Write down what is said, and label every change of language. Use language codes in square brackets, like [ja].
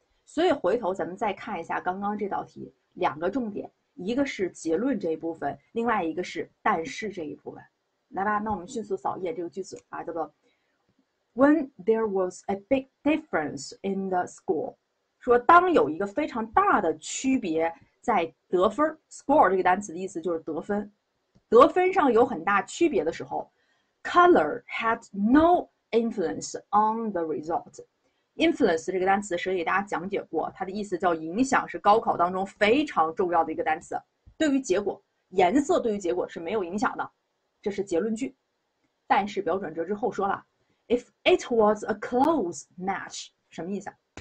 [zh] 所以回头咱们再看一下刚刚这道题，两个重点，一个是结论这一部分，另外一个是但是这一部分。来吧，那我们迅速扫一眼这个句子啊，叫做 [en] "When there was a big difference in the score"， [zh] 说当有一个非常大的区别在得分，score 这个单词的意思就是得分。得分上有很大区别的时候， [en] color had no influence on the result。 [zh] influence 这个单词是给大家讲解过，它的意思叫影响，是高考当中非常重要的一个单词，对于结果，颜色对于结果是没有影响的，这是结论句。但是标准折之后说了， [en] if it was a close match， [zh] 什么意思啊？